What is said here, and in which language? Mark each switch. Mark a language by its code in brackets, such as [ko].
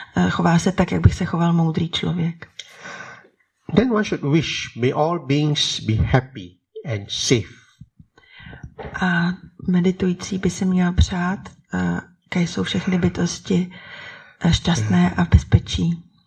[cs] Chová se tak, jak by se choval moudrý člověk. [en] Then one should wish may all beings be happy and safe. [cs] A meditující by se měl přát, kde jsou všechny bytosti šťastné a v bezpečí.